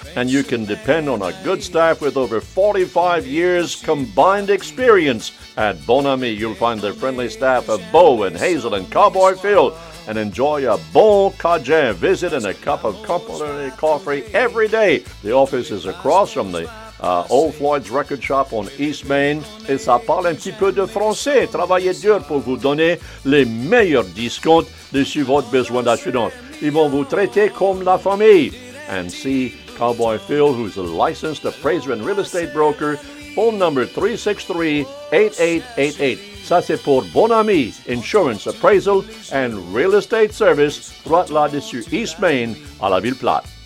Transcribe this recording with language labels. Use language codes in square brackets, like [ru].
[en] And you can depend on a good staff with over 45 years combined experience. At Bon Ami, you'll find their friendly staff of Bo and Hazel and Cowboy Phil. And enjoy a bon cajun visit and a cup of complimentary coffee every day. The office is across from the Old Floyd's Record Shop on East Main. [fr] Et ça parle un petit peu de français. Travaillez dur pour vous donner les meilleurs discounts dessus votre besoin d'assurance. Ils vont vous traiter comme la famille. [en] And see Cowboy Phil, who's a licensed appraiser and real estate broker. Phone number 363-8888. [fr] Ça, c'est pour Bon Ami Insurance Appraisal and Real Estate Service, right là-dessus East Main, à la Ville Platte.